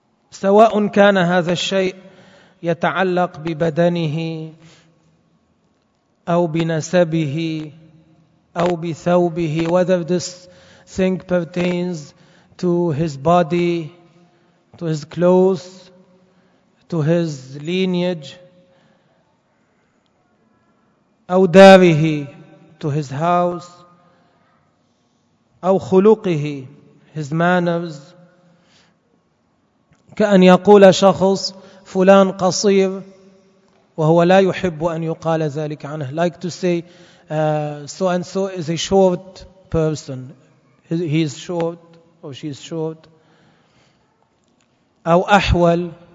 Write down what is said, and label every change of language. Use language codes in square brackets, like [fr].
[ar] سواء كان هذا الشيء يتعلق ببدنه أو بنسبه أو بثوبه, [en] whether this thing pertains to his body, to his clothes, to his lineage, [ar] أو داره, [en] to his house, [ar] أو خلقه, [en] his manners. [ar] كأن يقول شخص فلان قصير وهو لا يحب أن يقال ذلك عنه. [en] Like to say, so and so is a short person. He is short or she is short. [ar] أو أحول.